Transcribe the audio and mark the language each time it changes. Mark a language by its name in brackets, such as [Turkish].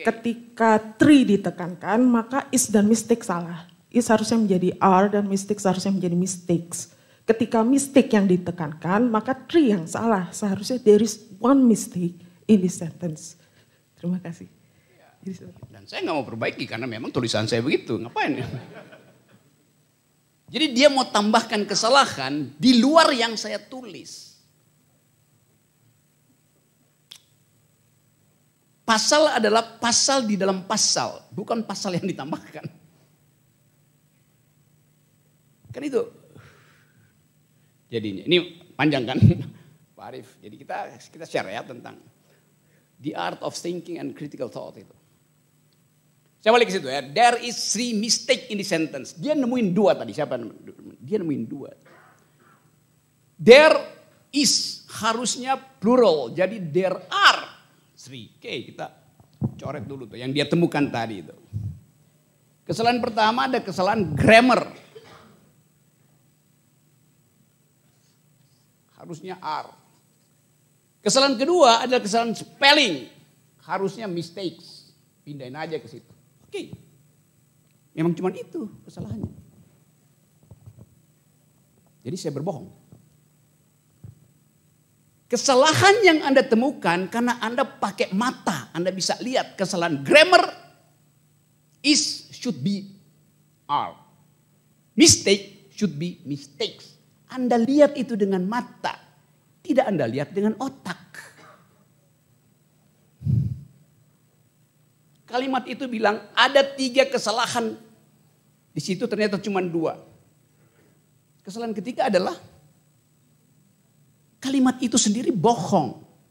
[Indonesian] Ketika tri ditekankan, maka is dan mistake salah. Is harusnya menjadi are dan mistake harusnya menjadi mistakes. Ketika mistake yang ditekankan, maka tree yang salah. Seharusnya [English] there is one mistake in this sentence. [Indonesian] Terima kasih. Dan saya gak mau perbaiki karena memang tulisan saya begitu. Ngapain ya? Jadi dia mau tambahkan kesalahan di luar yang saya tulis. Pasal adalah pasal di dalam pasal. Bukan pasal yang ditambahkan. Kan itu... Jadinya ini panjang kan Pak Arief. Jadi kita share ya tentang [English] the art of thinking and critical thought [Indonesian] itu. Saya balik ke situ ya. [English] There is three mistake in the sentence. [Indonesian] Dia nemuin dua tadi. Siapa? Dia nemuin dua. [English] There is [Indonesian] harusnya [English] plural. [Indonesian] Jadi [English] there are three. [Indonesian] Oke, kita coret dulu tuh yang dia temukan tadi itu. Kesalahan pertama ada kesalahan grammar. harusnya R. Kesalahan kedua adalah kesalahan spelling. Harusnya mistakes. Pindahin aja ke situ. Oke. Memang cuma itu kesalahannya. Jadi saya berbohong. Kesalahan yang Anda temukan karena Anda pakai mata. Anda bisa lihat kesalahan grammar [English] is should be R. Mistake should be mistakes. [Indonesian] Anda lihat itu dengan mata. Tidak Anda lihat dengan otak. Kalimat itu bilang ada tiga kesalahan. Di situ ternyata cuma dua. Kesalahan ketiga adalah kalimat itu sendiri bohong.